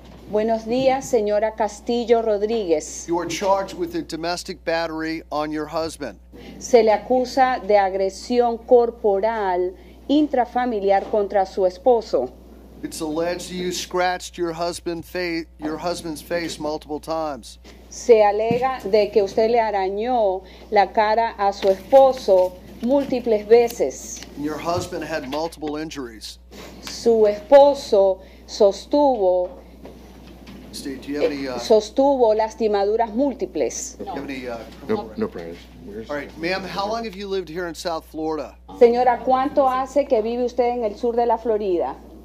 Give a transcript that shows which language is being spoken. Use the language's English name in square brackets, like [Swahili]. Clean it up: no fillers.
[Spanish] Buenos días, señora Castillo Rodriguez. [English] You are charged with a domestic battery on your husband. [Spanish] Se le acusa de agresión corporal intrafamiliar contra su esposo. [English] It's alleged you scratched your husband's face multiple times. [Spanish] Se alega de que usted le arañó la cara a su esposo múltiples veces. [English] And your husband had multiple injuries. [Spanish] Su esposo sostuvo sostuvo lastimaduras múltiples. [English] No problems. All right, ma'am, how long have you lived here in South Florida? [Spanish] Señora, ¿cuánto hace que vive usted en el sur de la Florida?